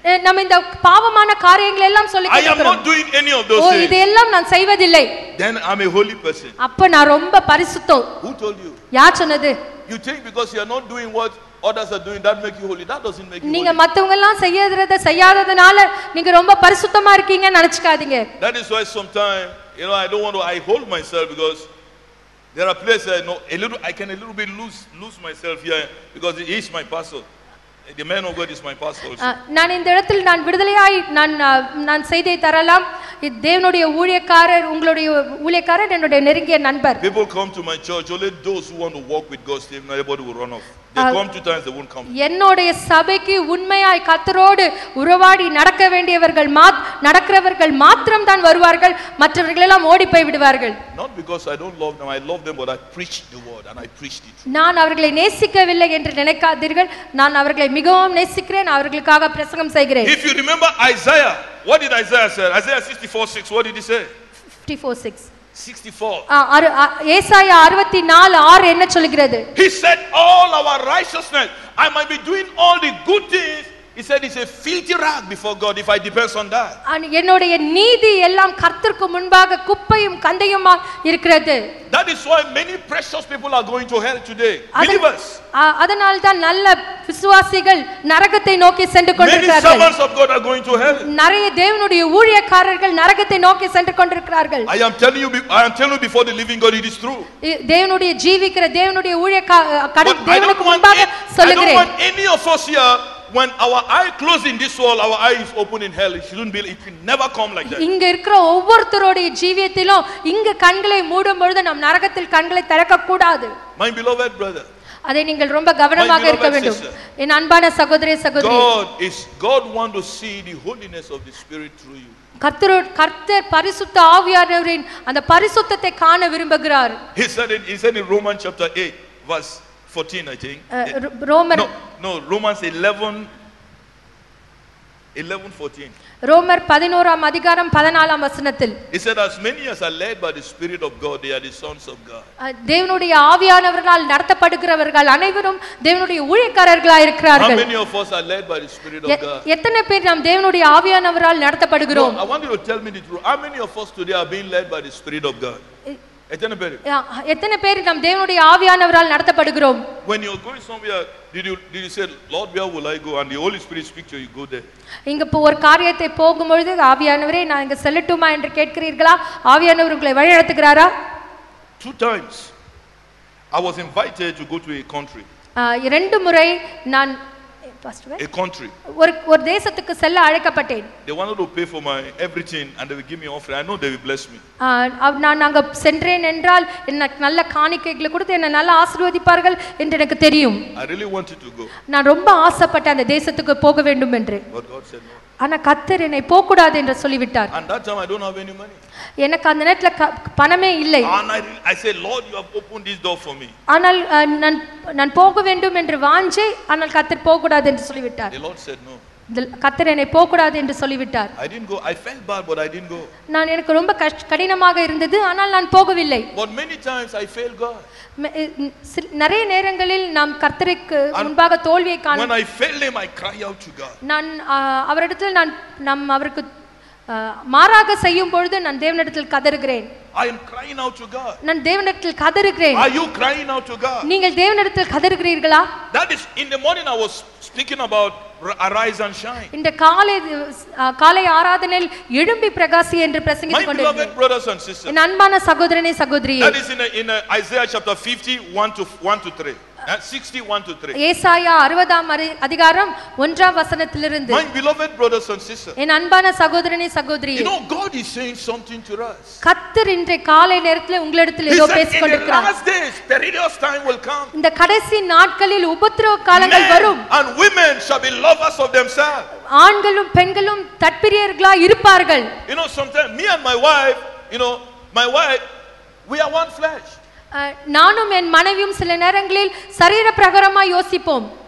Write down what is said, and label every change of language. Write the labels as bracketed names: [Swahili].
[Tamil] நாம் இந்த பாவமான காரியங்களை எல்லாம் சொல்லிக் கொண்டிருக்கிறோம். [English] I am not doing any of those things. [Tamil] இதெல்லாம் நான் செய்வதில்லை. [English] Then I am a holy person. [Tamil] அப்ப நான் ரொம்ப பரிசுத்தம். [English] Who told you? [Tamil] யார் சொன்னது? [English] You think because you are not doing what others are doing that make you holy. That doesn't make you. [Tamil] நீங்க மத்தவங்க எல்லாம் செய்யறத செய்யாததனால நீங்க ரொம்ப பரிசுத்தமா இருக்கீங்க நினைச்சுக்காதீங்க. [English] That is why sometimes you know I don't want to I hold myself because There are places I know, I can a little bit lose myself here because he is my pastor. The man of God is my pastor also. [Tamil] நான் இந்த இடத்தில் நான் விடுதலையாயி நான் செய்தியை தரலாம். தேவனுடைய ஊழியக்காரர், உங்களுடைய ஊழியக்காரர் என்னுடைய நெருங்கிய நண்பர். [English] People come to my church, only those who want to walk with God, Steve, nobody will run off. They come two times, they won't come. [Tamil] என்னுடைய சபைக்கு உண்மையாய் கர்த்தரோடு உறவாடி நடக்க வேண்டியவர்கள் நடக்கிறவர்கள் மாத்திரம் தான் வருவார்கள், மற்றவர்கள் எல்லாம் ஓடி போய் விடுவார்கள். [English] Not because I don't love them, I love them, but I preach the word and I preach the truth. [Tamil] நான் அவர்களை நேசிக்கவில்லை என்று நினைக்காதீர்கள், நான் அவர்களை மிகவும் நேசிக்கிறேன், அவர்களுக்காக பிரசங்கம் செய்கிறேன். [English] If you remember Isaiah, what did Isaiah say? Isaiah 64:6, what did he say? 54:6. 64. [Tamil] ஏசாயா 64:6 என்ன சொல்கிறது? [English] He said all our righteousness, I might be doing all the good things. He said it's a filthy rag before God if I depend on that. [Tamil] An என்னுடைய நீதி எல்லாம் கர்த்தருக்கு முன்பாக குப்பையும் கந்தையும் இருக்கிறது. [English] That is why many precious people are going to hell today. Believers. [Tamil] அதனால தான் நல்ல விசுவாசிகள் நரகத்தை நோக்கி சென்று கொண்டிருக்கிறார்கள். [English] Many servants of God are going to hell. [Tamil] நிறைய தேவனுடைய ஊழியக்காரர்கள் நரகத்தை நோக்கி சென்று கொண்டிருக்கிறார்கள். [English] I am telling you before the living God, it is true. [Tamil] தேவனுடைய ஜீவிக்கிற தேவனுடைய ஊழியக்காரர் தேவனுக்கு முன்பாக சொல்கிறேன். [English] I don't want any of us here, when our eye closed in this world, our eye is open in hell. It can never come like that. [Tamil] இங்க இருக்கிற ஒவ்வொருத்தரோட ஜீவியத்திலும் இங்க கண்களை மூடும் பொழுது நாம் நரகத்தில் கண்களை திறக்க கூடாது. [English] My beloved brother, [Tamil] அதை நீங்கள் ரொம்ப கவனமாக இருக்க வேண்டும். என் அன்பான சகோதரே சகோதரி, [English] God want to see the holiness of the spirit through you. [Tamil] கர்த்தர் பரிசுத்த ஆவியானவரின் அந்த பரிசுத்தத்தை காண விரும்புகிறார். [English] He said it is in Romans chapter 8 verse 14, I think. Romans. No, Romans 11:14. [Tamil] Romans 11 அதிகாரம் 14 வசனத்தில். [English] He said, as many as are led by the Spirit of God, they are the sons of God. [Tamil] தேவனுடைய ஆவியானவரால் நடத்தப்படுகிறவர்கள் அனைவரும் தேவனுடைய ஊழியக்காரர்களாக இருக்கிறார்கள். [English] How many of us are led by the Spirit of God? [Tamil] எத்தனை பேர் நாம் தேவனுடைய ஆவியானவரால் நடத்தப்படுகிறோம்? [English] I want you to tell me the truth. How many of us today are being led by the Spirit of God? [Tamil] எத்தனை பேர் நாம் தேவனுடைய ஆவியானவரால் நடத்தப்படுகிறோம்? [English] When you are going somewhere, did you say, Lord, where will I go? And the Holy Spirit speaks to you, go there. [Tamil] இங்க போற காரியத்தை போகும் பொழுது ஆவியானவரே நான் இங்க செல்லட்டுமா என்று கேட்கிறீர்களா? ஆவியானவர் உங்களை வழி நடத்துகிறாரா? [English] Two times I was invited to go to a country. [Tamil] இரண்டு முறை நான் [English] pastor a country [Tamil] ஒரு தேசத்துக்கு செல்ல அழைக்கப்பட்டேன். [English] They wanted to pay for my everything and they will give me offering. I know they will bless me. [Tamil] நான் அங்க சென்றேன் என்றால் எனக்கு நல்ல காணிக்கைகளை கொடுத்து என்னை நல்லா ஆசீர்வதிப்பார்கள் என்று எனக்கு தெரியும். [English] I really wanted to go. [Tamil] நான் ரொம்ப ஆசைப்பட்ட அந்த தேசத்துக்கு போக வேண்டும் என்று. [English] But God said no. [Tamil] ஆனா கர்த்தர் என்னை போக கூடாது என்று சொல்லிவிட்டார். [English] And that time I don't have any money. [Tamil] எனக்கு அந்த நேரத்துல பணமே இல்லை. [English] I say, Lord, you have opened this door for me. [Tamil] ஆனால் நான் போக வேண்டும் என்று வாஞ்சே, ஆனால் கர்த்தர் போக கூடாது என்று சொல்லிவிட்டார். [English] The Lord said no. [Tamil] கர்த்தர் என்னை போக கூடாது என்று சொல்லிவிட்டார். [English] I didn't go. I felt bad, but I didn't go. [Tamil] நான் எனக்கு ரொம்ப கடினமாக இருந்தது, ஆனால் நான் போகவில்லை. [English] But many times I fail God. [Tamil] நிறைய நேரங்களில் நாம் கர்த்தருக்கு முன்பாக தோல்வியை காண. [English] When I fail him, I cry out to God. [Tamil] நான் அவரிடத்தில் நான் நம் அவருக்கு மாறாக செய்யும் பொழுது நான் தேவனிடத்தில் கதறுகிறேன். [English] I am crying out to God. [Tamil] நான் தேவனிடத்தில் கதறுகிறேன். [English] Are you crying out to God? [Tamil] நீங்கள் தேவனிடத்தில் கதறுகிறீர்களா? [English] That is in the morning I was speaking about arise and shine. [Tamil] இந்த காலை ஆராதனையில் எழும்பி பிரகாசி என்று பிரசங்கித்துக் கொண்டிருந்தேன். [English] My beloved brothers and sisters. [Tamil] என் அன்பான சகோதரனே சகோதரியே. [English] That is in Isaiah chapter 51:1-3. 61:3. [Tamil] ஏசாயா 60 அதிகாரம் 1 வசனத்திலிருந்து. [English] My beloved brothers and sisters. [Tamil] என் அன்பான சகோதரனே சகோதரியே. [English] You know, God is saying something to us. [Tamil] கர்த்தர் இன்றைய காலை நேரத்தில் உங்களிடத்தில் ஏதோ பேசிக் கொண்டிருக்கிறார். [English] In the last days, perilous time will come. [Tamil] இந்த கடைசி நாட்களில் உபத்திரவ காலங்கள் வரும். [English] And women shall be lovers of themselves. [Tamil] ஆண்களும் பெண்களும் தற்பிரியர்களாய் இருப்பார்கள். [English] You know, sometimes me and my wife, you know, my wife, we are one flesh. [Tamil] நானும் என் மனைவியும் சில நேரங்களில் சரீர பிரகாரமா யோசிப்போம்.